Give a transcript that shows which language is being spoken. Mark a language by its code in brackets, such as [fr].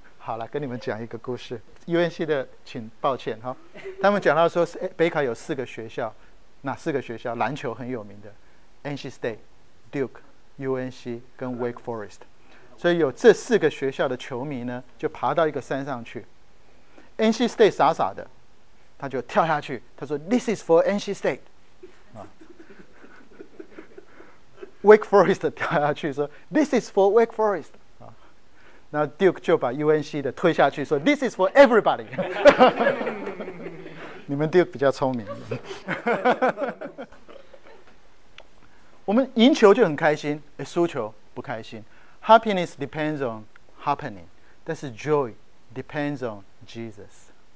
[zh] 好了，跟你们讲一个故事。 UNC 的，请抱歉哈、哦。他们讲到说，北卡有四个学校，哪四个学校篮球很有名的？NC State、Duke、UNC 跟 Wake Forest。所以有这四个学校的球迷呢，就爬到一个山上去。 [en] NC State [zh] 傻傻的，他就跳下去，他说 [en] "This is for NC State"。 Wake Forest [zh] 跳下去说 [en] "This is for Wake Forest"。 那 Duke [zh] 就把 [en] UNC [zh] 的推下去说 [en] "This is for everybody"。 [zh] 你们 Duke 比较聪明。我们赢球就很开心，输球不开心。 [en] Happiness depends on happening， [zh] 但是 [en] joy depends on Jesus。